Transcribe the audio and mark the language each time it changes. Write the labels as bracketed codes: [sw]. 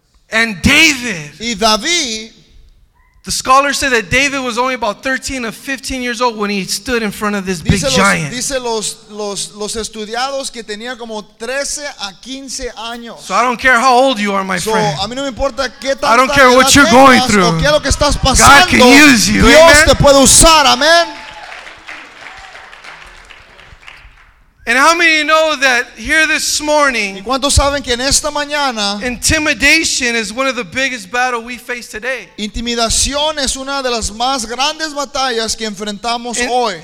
[en] And David. [es] Y David. [en] The scholars say that David was only about 13 or 15 years old when he stood in front of this big giant. [es] Dice los estudiados que tenía como 13 a 15 años. [en] So I don't care how old you are, my friend. [es] A mí no me importa qué tan [en] I don't care what you're going through. [es] O qué es lo que estás pasando. [en] God can use you, [es] Dios amen. Te puede usar, amen. [en] And how many know that here this morning, [es] ¿y cuántos saben que en esta mañana, [en] intimidation is one of the biggest battles we face today? [es] Intimidación es una de las más grandes batallas que enfrentamos hoy.